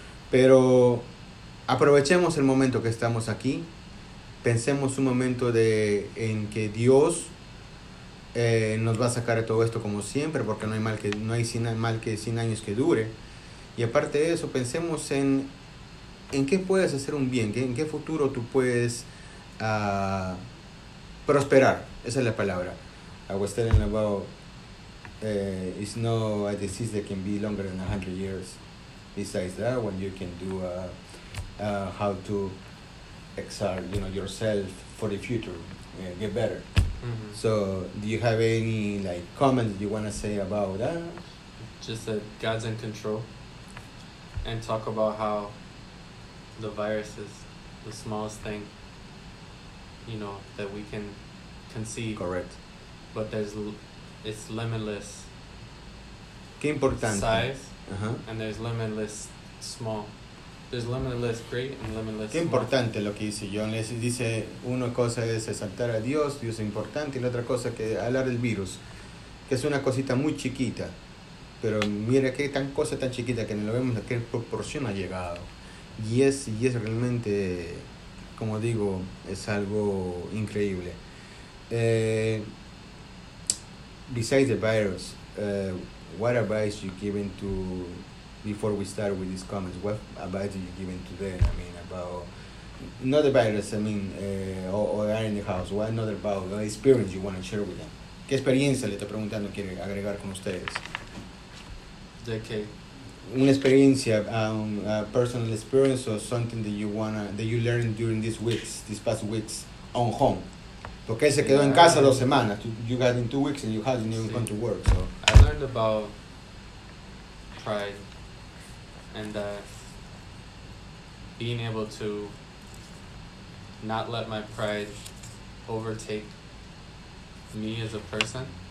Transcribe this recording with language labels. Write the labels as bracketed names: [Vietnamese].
[Spanish] Pero aprovechemos el momento que estamos aquí, pensemos un momento en que Dios nos va a sacar de todo esto como siempre, porque no hay mal que 100 años que dure. Y aparte de eso, pensemos en qué puedes hacer un bien, en qué futuro tú puedes prosperar. Esa es la palabra. [English] I was telling about it's no a disease that can be longer than 100 years. Besides that, when you can do how to exert, you know, yourself for the future, get better. Mm-hmm. So, do you have any like comments you want to say about that? Just that God's in control, and talk about how the virus is the smallest thing, you know, that we can see. Correct. But there's it's limitless. [Spanish] Qué importante. [English] Size. And there's limitless small. There's limitless great and limitless small. [Spanish] Qué importante lo que dice John. Dice, una cosa es exaltar a Dios, Dios es importante, y la otra cosa que hablar del virus, que es una cosita muy chiquita, pero mira qué tan cosa tan chiquita que no lo vemos, a qué proporción ha llegado. Y es realmente, como digo, es algo increíble. [English] Besides the virus, what advice you given to, before we start with these comments, what advice are you giving today? I mean, about not the virus, I mean, or in the house, what another about the experience you want to share with them? [Spanish] ¿Qué experiencia le está preguntando quiere agregar con ustedes? ¿De qué? Una experiencia, [English] a personal experience or something that you wanna that you learned during these past weeks on home. [Spanish] Porque se quedó en casa dos semanas. [English] You got in 2 weeks and you hadn't even come to work. So I learned about pride and being able to not let my pride overtake me as a person.